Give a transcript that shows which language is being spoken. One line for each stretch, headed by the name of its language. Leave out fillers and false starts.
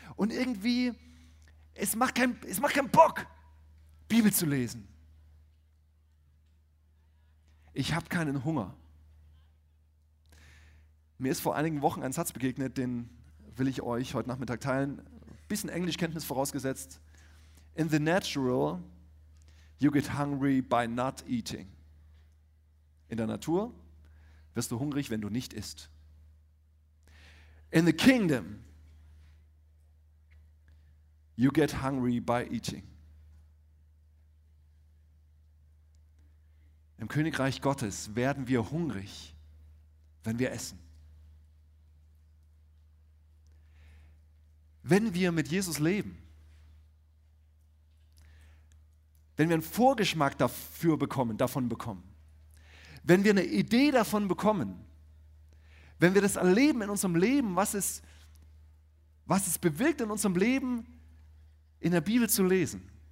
German: Und irgendwie, es macht keinen Bock, Bibel zu lesen. Ich habe keinen Hunger. Mir ist vor einigen Wochen ein Satz begegnet, den will ich euch heute Nachmittag teilen. Bisschen Englischkenntnis vorausgesetzt.
English: In the natural, you get hungry by not eating.
German: In der Natur wirst du hungrig, wenn du nicht isst.
English: In the kingdom, you get hungry by eating.
German: Im Königreich Gottes werden wir hungrig, wenn wir essen. Wenn wir mit Jesus leben, wenn wir einen Vorgeschmack davon bekommen, wenn wir eine Idee davon bekommen, wenn wir das erleben in unserem Leben, was es bewirkt in unserem Leben, in der Bibel zu lesen.